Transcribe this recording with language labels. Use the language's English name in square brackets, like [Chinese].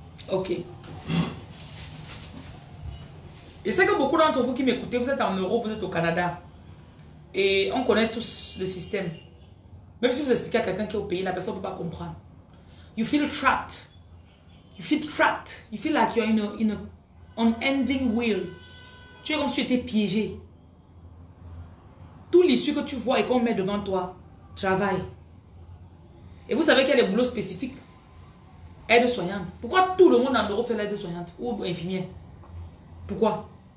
[French] Ok. Je sais que beaucoup d'entre vous qui m'écoutez, vous êtes en Europe, vous êtes au Canada. Et on connaît tous le système. Même si vous expliquez à quelqu'un qui est au pays, la personne ne peut pas comprendre. [English] You feel trapped. You feel like you're in an unending wheel. [French] Tu es comme si tu étais piégé. Tout l'issue que tu vois et qu'on met devant toi, travaille. Et vous savez qu'il y a des boulots spécifiques. Aide-soignante. Pourquoi tout le monde en Europe fait l'aide-soignante ou infirmière? Pourquoi?